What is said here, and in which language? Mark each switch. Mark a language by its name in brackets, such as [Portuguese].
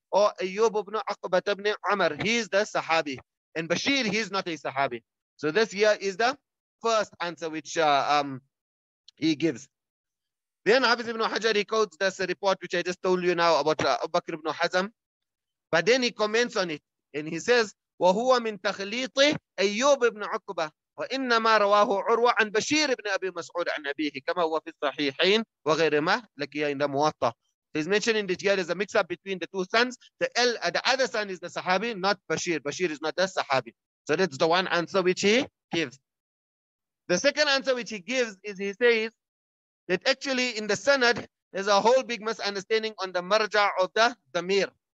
[English] Or Ayyub ibn Aqbat ibn Umar, he is the Sahabi. And Bashir, he's not a Sahabi. So this here is the first answer which he gives. Then Hafiz ibn Hajar, he quotes this report which I just told you now about Abu Bakr ibn Hazm. But then he comments on it and he says, [Arabic] وَهُوَ مِن تَخْلِيطِ أَيُّوبِ ابْنِ عُقْبَةِ وَإِنَّمَا رَوَاهُ عُرْوَةَ عَنْ بَشِيرِ ابْنِ أَبِي مَسْعُودَ عَنْ أَبِيهِ كَمَا هُوَ فِي الصَّحِيحِينَ وَغَيْرِمَا لَكِيَا إِنَّ مُوَطَّى. [English] He's mentioning that here is a mix-up between the two sons. The other son is the Sahabi, not Bashir. Bashir is not the Sahabi. So that's the one answer which he gives. The second answer which he gives is he says that actually in the Sanad, there's a whole big misunderstanding on the marja of the Damir.